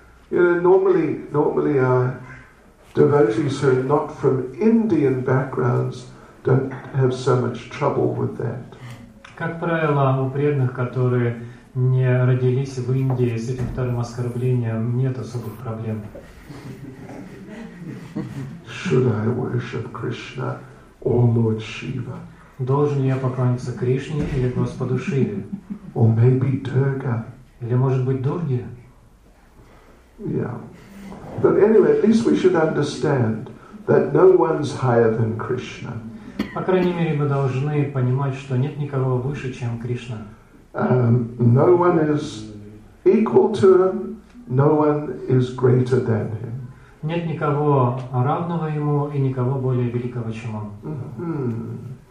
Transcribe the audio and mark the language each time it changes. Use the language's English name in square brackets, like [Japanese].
[English] You know, normally devotees who are not from Indian backgrounds don't have so much trouble with that. [Russian] Как правило, у преданных, которые не родились в Индии, с этим вторым оскорблением нет особых проблем. [English] Should I worship Krishna or Lord Shiva? [Russian] Должен я поклониться Кришне или Господу Шиве? [English] Or maybe Durga. [Russian] Или, может быть, Дурге? [English] Yeah. But anyway, at least we should understand that no one's higher than Krishna. [Russian] По крайней мере, мы должны понимать, что нет никого выше, чем Кришна. [English] No one is equal to him, no one is greater than him. [Russian] Нет никого равного ему и никого более великого, чем он.